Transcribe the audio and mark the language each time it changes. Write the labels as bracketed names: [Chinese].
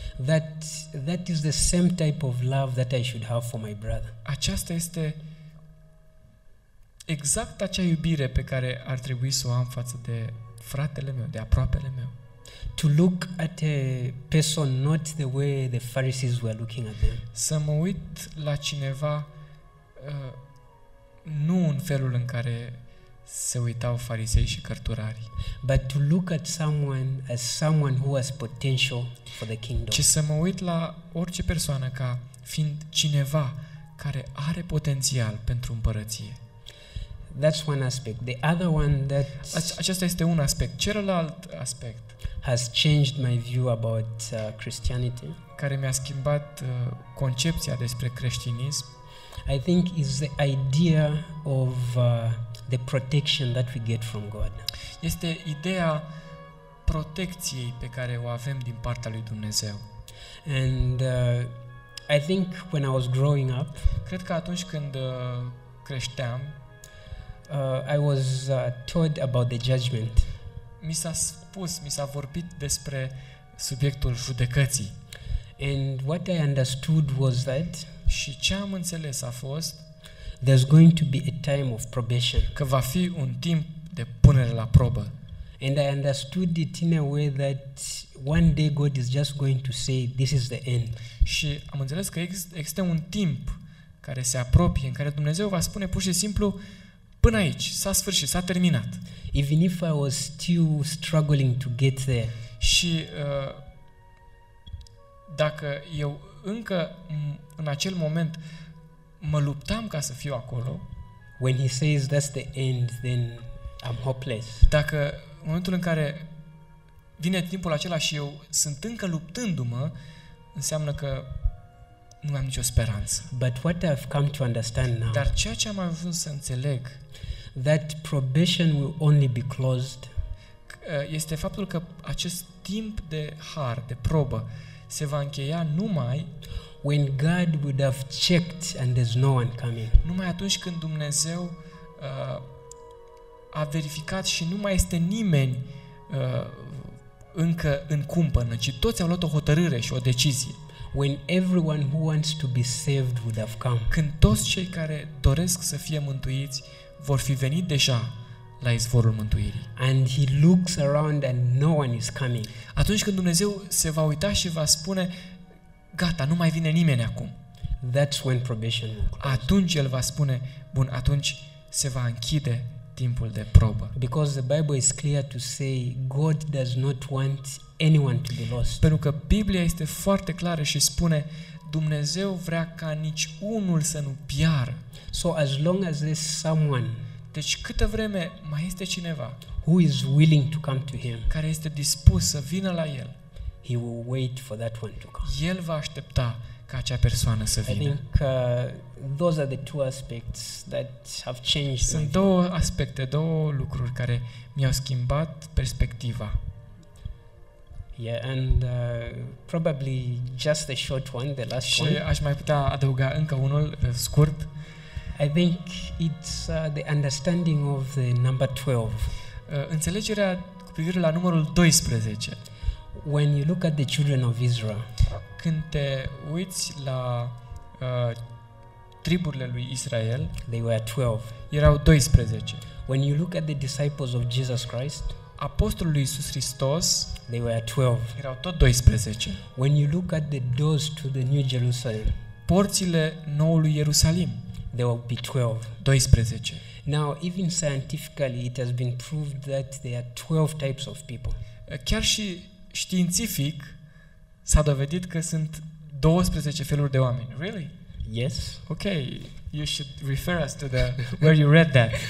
[English] That is the same type of love that I should have for my brother. [Romanian] Aceasta este exact acea iubire pe care ar trebui să o am față de fratele meu, de aproapele meu. [English] To look at a person not the way the Pharisees were looking at them. [Romanian] Să mă uit la cineva nu în felul în care se uitau farisei și cărturari. [English] But to look at someone as someone who has potential for the kingdom. [Romanian] Ci să mă uit la orice persoană ca fiind cineva care are potențial pentru împărăție. [English] That's one aspect. The other one that [Romanian] acesta este un aspect. Celălalt aspect [English] has changed my view about Christianity. [Romanian] Care mi-a schimbat concepția despre creștinism. [English] I think is the idea of the protection that we get from God. [Romanian] Este ideea protecției pe care o avem din partea lui Dumnezeu. [English] And I think when I was growing up, [Romanian] cred că atunci când creșteam, [English] I was told about the judgment. [Romanian] Mi s-a spus, mi s-a vorbit despre subiectul judecății. [English] And what I understood was that [Romanian] și ce am înțeles a fost [English] there's going to be a time of probation. [Romanian] Că va fi un timp de punere la probă. [English] And I understood it in a way that one day God is just going to say this is the end. [Romanian] Și am înțeles că există un timp care se apropie în care Dumnezeu va spune pur și simplu până aici, s-a sfârșit, s-a terminat. [English] Even if I was still struggling to get there. [Romanian] Și dacă eu încă în acel moment mă luptam ca să fiu acolo, [English] When he says that's the end, then I'm hopeless. [Romanian] Dacă în momentul în care vine timpul acela și eu sunt încă luptându-mă, înseamnă că nu am nicio speranță. [English] But what I've come to understand now. [Romanian] Dar ceea ce am ajuns să înțeleg, [English] that probation will only be closed, [Romanian] este faptul că acest timp de har, de probă, se va încheia numai [English] when God would have checked and there's no one coming. [Romanian] Numai atunci când Dumnezeu a verificat și nu mai este nimeni încă în cumpănă, ci toți au luat o hotărâre și o decizie. [English] When everyone who wants to be saved would have come. [Romanian] Când toți cei care doresc să fie mântuiți vor fi venit deja la izvorul mântuirii. [English] And he looks around and no one is coming. [Romanian] Atunci când Dumnezeu se va uita și va spune gata, nu mai vine nimeni acum. [English] That's when probation will close. [Romanian] Atunci el va spune, bun, atunci se va închide timpul de probă. [English] Because the Bible is clear to say God does not want anyone to be lost. [Romanian] Pentru că Biblia este foarte clară și spune Dumnezeu vrea ca nici unul să nu piară. [English] So as long as there's someone, [Romanian] deci câtă vreme mai este cineva, [English] who is willing to come to him, [Romanian] care este dispus să vină la el, [English] he will wait for that one to come. [Romanian] El va aștepta ca acea persoană să vină. [English] I think those are the two aspects that have changed. [Romanian] Sunt două aspecte, două lucruri care mi-au schimbat perspectiva. [English] Yeah, and probably just the short one, the last [Romanian] și [English] one. [Romanian] Aș mai putea adăuga încă unul scurt. [English] I think it's the understanding of the number 12. [Romanian] Înțelegerea cu privire la numărul 12. [English] When you look at the children of Israel, [Romanian] când te uiți la triburile lui Israel, [English] they were 12. [Romanian] Erau 12. [English] When you look at the disciples of Jesus Christ, [Romanian] apostolul lui Iisus Hristos, [English] they were 12. [Romanian] Erau tot 12. [English] When you look at the doors to the New Jerusalem, [Romanian] porțile noului Ierusalim, [English] there will be 12. [Romanian] 12. [English] Now, even scientifically, it has been proved that there are 12 types of people. [Romanian] Chiar și științific s-a dovedit că sunt 12 feluri de oameni. [English] Really? Yes. Okay, you should refer us to the where you read that.